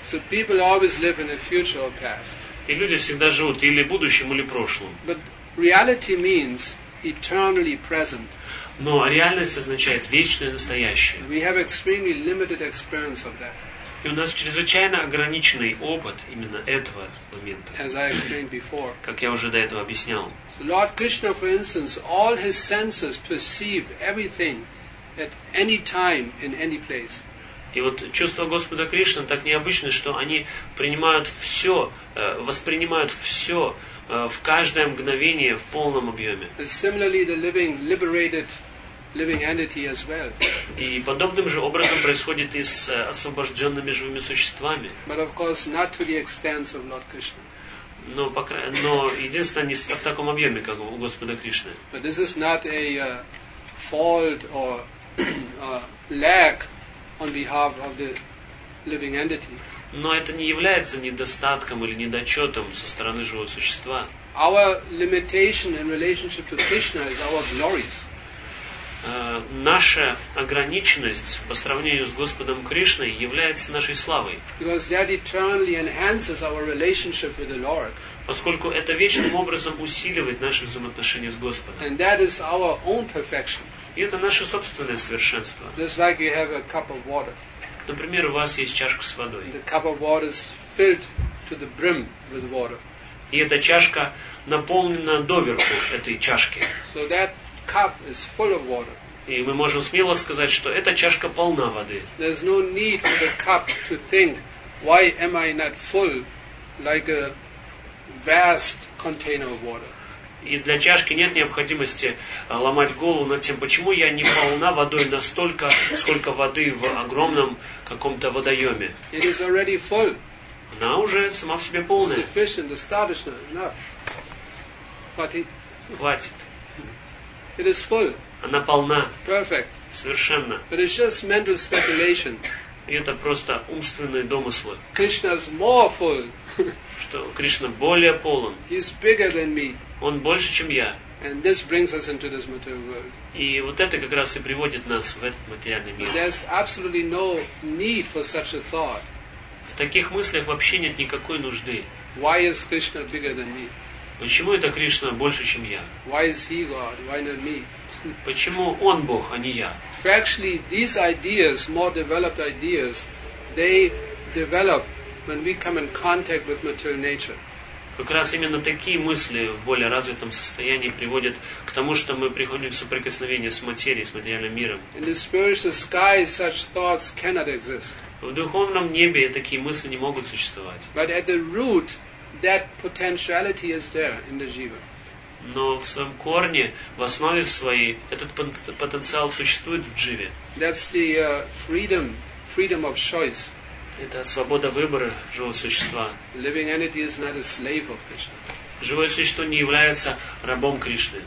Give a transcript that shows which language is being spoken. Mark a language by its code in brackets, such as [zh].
[en] So people always live in the future or past. [ru] И люди всегда живут или в будущем, или в прошлом. [en] But reality means eternally present. [ru] Но реальность означает вечное и настоящее. [en] We have extremely limited experience of that. [ru] И у нас чрезвычайно ограниченный опыт именно этого момента. [en] As I explained before. [ru] Как я уже до этого объяснял. [en] So Lord Krishna, for instance, all his senses perceive everything at any time in any place. [ru] И вот чувства Господа Кришны так необычны, что они принимают все, воспринимают все в каждое мгновение в полном объеме. [en] Similarly, the living, liberated living entity as well. [ru] И подобным же образом происходит и с освобожденными живыми существами. [en] But of course, not to the extent of Lord Krishna. [ru] Но единственное, не в таком объеме, как у Господа Кришны. [en] But this is not a fault or lack on behalf of the living entity. [ru] Но это не является недостатком или недочетом со стороны живого существа. [en] Our limitation in relationship to Krishna is our glories. [ru] Наша ограниченность по сравнению с Господом Кришной является нашей славой. [en] Because that eternally enhances our relationship with the Lord. [ru] Поскольку это вечным образом усиливает наши взаимоотношения с Господом. [en] And that is our own perfection. [ru] И это наше собственное совершенство. [en] Just like you have a cup of water. [ru] Например, у вас есть чашка с водой. [en] The cup of water is filled to the brim with water. [ru] И эта чашка наполнена доверху этой чашки. [en] So that cup is full of water. [ru] И мы можем смело сказать, что эта чашка полна воды. [en] There's no need for the cup to think, why am I not full like a vast container of water. [ru] И для чашки нет необходимости ломать голову над тем, почему я не полна водой настолько, сколько воды в огромном каком-то водоеме. [en] It is already full. [ru] Она уже сама в себе полная. [en] Sufficient, [ru] достаточно, [en] enough. But [ru] хватит. [en] It is full. [ru] Она полна. [en] Perfect. [ru] Совершенно. [en] But it's just mental speculation. [ru] И это просто умственные домыслы. [en] Krishna is more full. [ru] Что Кришна более полон. [en] He is bigger than me. [ru] Он больше, чем я. [en] And this brings us into this material world. [ru] И вот это как раз и приводит нас в этот материальный мир. [en] There's absolutely no need for such a thought. [ru] В таких мыслях вообще нет никакой нужды. [en] Why is Krishna bigger than me? [ru] Почему это Кришна больше, чем я? [en] Why is he God? Why not me? [ru] Почему он Бог, а не я? [en] Factually, these ideas, more developed ideas, they develop when we come in contact with material nature. [ru] Как раз именно такие мысли в более развитом состоянии приводят к тому, что мы приходим в соприкосновение с материей, с материальным миром. [en] In the spiritual sky, such thoughts cannot exist. [ru] В духовном небе такие мысли не могут существовать. [en] But at the root, that potentiality is there in the jiva. [ru] Но в своем корне, в основе своей, этот потенциал существует в дживе. [en] That's the freedom of choice. [ru] Это свобода выбора живого существа. [en] Living entity is not a slave of Krishna. [ru] Живое существо не является рабом Кришны.